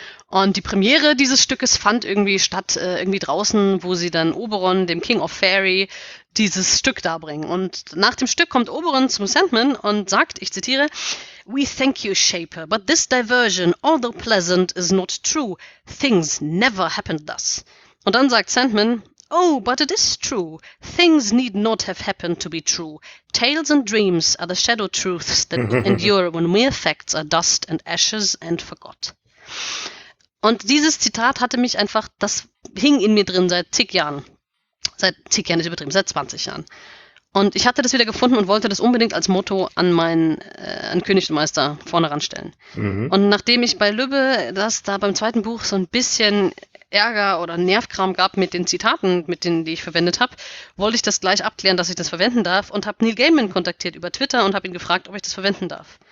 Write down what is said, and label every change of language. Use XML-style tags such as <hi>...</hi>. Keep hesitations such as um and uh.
<de>Und die Premiere dieses Stückes fand irgendwie statt, äh, irgendwie draußen, wo sie dann Oberon, dem King of Fairy, dieses Stück darbringen. Und nach dem Stück kommt Oberon zum Sandman und sagt, ich zitiere,</de> <en>We thank you, Shaper, but this diversion, although pleasant, is not true. Things never happened thus.</en> <de>Und dann sagt Sandman,</de> <en>Oh, but it is true. Things need not have happened to be true. Tales and dreams are the shadow truths that endure when mere facts are dust and ashes and forgot.</en> <de>Und dieses Zitat hatte mich einfach, das hing in mir drin seit zig Jahren. Seit zig Jahren ist übertrieben, seit 20 Jahren. Und ich hatte das wieder gefunden und wollte das unbedingt als Motto an meinen äh, an König und Meister vorne ranstellen. Mhm. Und nachdem ich bei Lübbe das da beim zweiten Buch so ein bisschen Ärger oder Nervkram gab mit den Zitaten, mit denen die ich verwendet habe, wollte ich das gleich abklären, dass ich das verwenden darf und habe Neil Gaiman kontaktiert über Twitter und habe ihn gefragt, ob ich das verwenden darf.</de>